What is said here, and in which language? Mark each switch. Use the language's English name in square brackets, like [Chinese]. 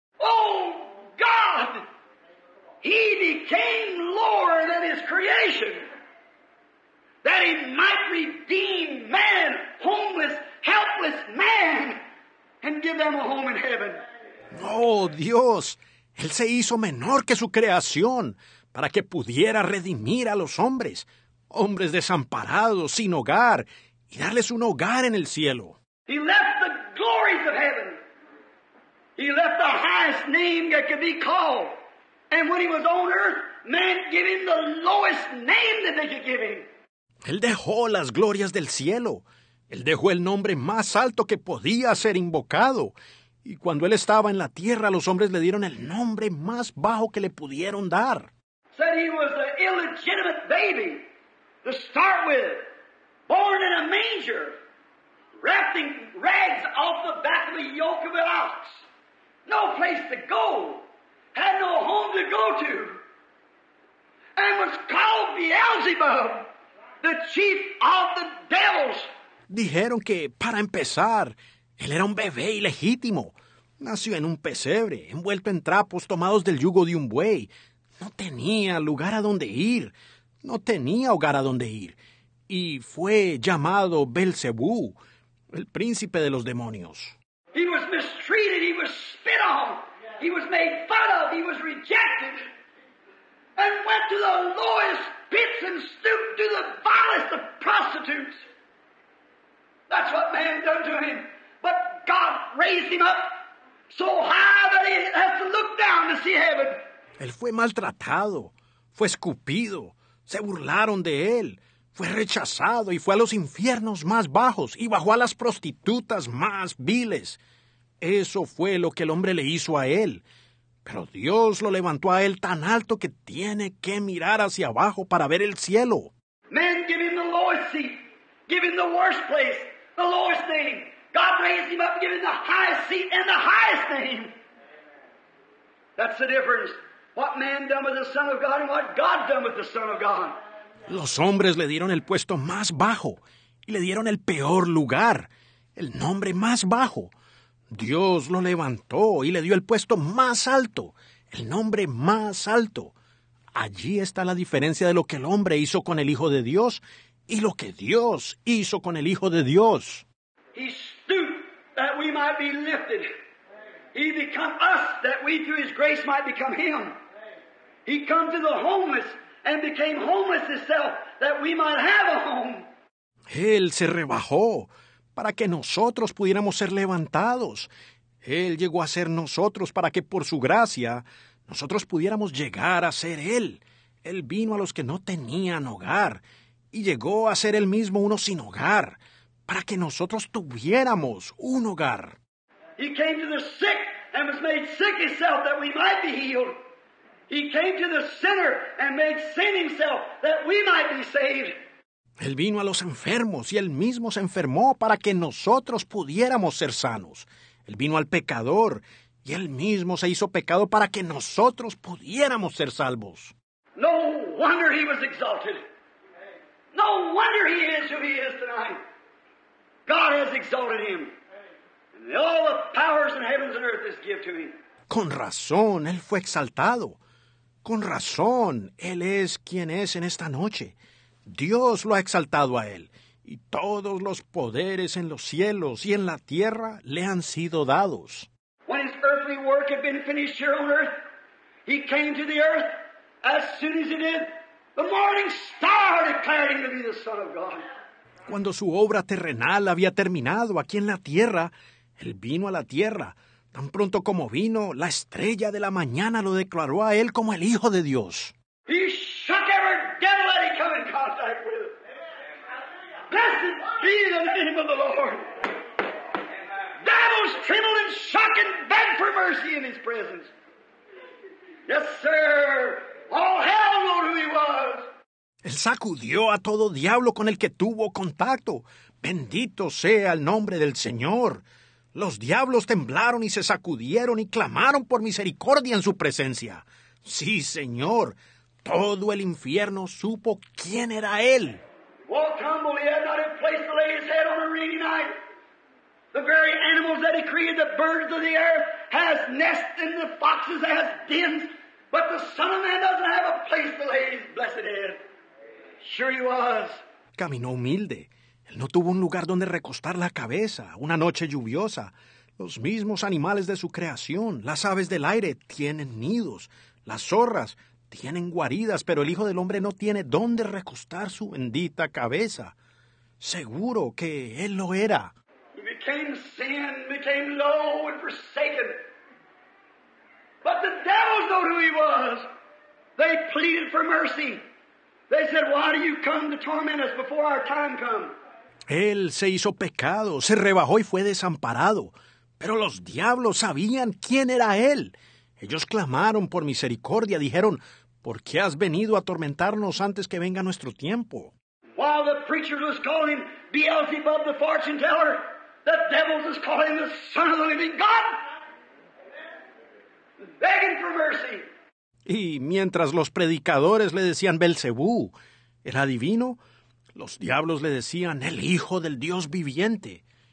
[English] ¡Oh, God! He became Lord of His creation, that He might redeem man, homeless, helpless man, and give them a home in heaven. [Spanish] ¡Oh, Dios! Él se hizo menor que su creación para que pudiera redimir a los hombres, hombres desamparados, sin hogar, y darles un hogar en el cielo. [English] He left the glories of heaven. He left the highest name that could be called. And when he was on earth, man gave him the lowest name that they could give him. [Spanish] Él dejó las glorias del cielo. Él dejó el nombre más alto que podía ser invocado. Y cuando él estaba en la tierra, los hombres le dieron el nombre más bajo que le pudieron dar. [English] Said he was an illegitimate baby to start with, born in a manger, wrapping rags off the back of the yoke of an ox. No place to go, had no home to go to, and was called Beelzebub, the chief of the devils. [Spanish] Dijeron que, para empezar, él era un bebé ilegítimo. Nació en un pesebre, envuelto en trapos tomados del yugo de un buey. No tenía lugar a donde ir. No tenía hogar a donde ir. Y fue llamado Belcebú, el príncipe de los demonios. [English] He was mistreated, he was spit on, he was made fun of, he was rejected, and went to the lowest pits and stooped to the vilest of prostitutes. That's what man done to him. But God raised him up so high that he has to look down to see heaven. [Spanish] Él fue maltratado, fue escupido, se burlaron de él, fue rechazado y fue a los infiernos más bajos y bajó a las prostitutas más viles. Eso fue lo que el hombre le hizo a él. Pero Dios lo levantó a él tan alto que tiene que mirar hacia abajo para ver el cielo. [English] Man give him the lowest seat, give him the worst place, the lowest name. God raised him up and gave him the highest seat and the highest name. That's the difference. What man done with the Son of God and what God done with the Son of God. [Spanish] Los hombres le dieron el puesto más bajo y le dieron el peor lugar, el nombre más bajo. Dios lo levantó y le dio el puesto más alto, el nombre más alto. Allí está la diferencia de lo que el hombre hizo con el Hijo de Dios y lo que Dios hizo con el Hijo de Dios. [English] He stooped that we might be lifted. He become us that we through his grace might become him. He come to the homeless and became homeless himself that we might have a home. [Spanish] Él se rebajó para que nosotros pudiéramos ser levantados. Él llegó a ser nosotros para que por su gracia nosotros pudiéramos llegar a ser él. Él vino a los que no tenían hogar y llegó a ser él mismo uno sin hogar, para que nosotros tuviéramos un hogar. [English] He came to the sick and was made sick himself that we might be healed. He came to the sinner and made sin himself that we might be saved. [Spanish] Él vino a los enfermos y él mismo se enfermó para que nosotros pudiéramos ser sanos. Él vino al pecador y él mismo se hizo pecado para que nosotros pudiéramos ser salvos. [English] No wonder he was exalted. No wonder he is who he is tonight. God has exalted him, and all the powers in heavens and earth is given to him. [Spanish] Con razón, él fue exaltado. Con razón, él es quien es en esta noche. Dios lo ha exaltado a él, y todos los poderes en los cielos y en la tierra le han sido dados. [English] When his earthly work had been finished here on earth, he came to the earth as soon as he did. The morning star declared him to be the Son of God. [Spanish] Cuando su obra terrenal había terminado aquí en la tierra, él vino a la tierra. Tan pronto como vino, la estrella de la mañana lo declaró a él como el Hijo de Dios. [English] He shook every devil that he came in contact with. Amen. Blessed be the name of the Lord. Amen. devils trembled and shook and begged for mercy in his presence. Yes, sir. All hell knew who he was. [Spanish] Él sacudió a todo diablo con el que tuvo contacto. Bendito sea el nombre del Señor. Los diablos temblaron y se sacudieron y clamaron por misericordia en su presencia. Sí, Señor. Todo el infierno supo quién era él. [English] Walk humbly, he had not a place to lay his head on a rainy night. The very animals that he created, the birds of the air, has nests and the foxes has dens, but the Son of Man doesn't have a place to lay his blessed head. Sure he was. [Spanish] Caminó humilde. Él no tuvo un lugar donde recostar la cabeza. Una noche lluviosa. Los mismos animales de su creación, las aves del aire, tienen nidos. Las zorras tienen guaridas, pero el Hijo del Hombre no tiene dónde recostar su bendita cabeza. Seguro que él lo era. [English] He became sin, became low and forsaken. But the devils know who he was. They pleaded for mercy. They said, why do you come to torment us before our time come? [Spanish] Él se hizo pecado, se rebajó y fue desamparado. Pero los diablos sabían quién era él. Ellos clamaron por misericordia, dijeron, ¿por qué has venido a atormentarnos antes que venga nuestro tiempo? [English] While the preachers was calling him Beelzebub the fortune teller, the devils was calling him the Son of the Living God, begging for mercy. [Spanish] Y mientras los predicadores le decían Belcebú, el adivino, los diablos le decían el Hijo del Dios viviente.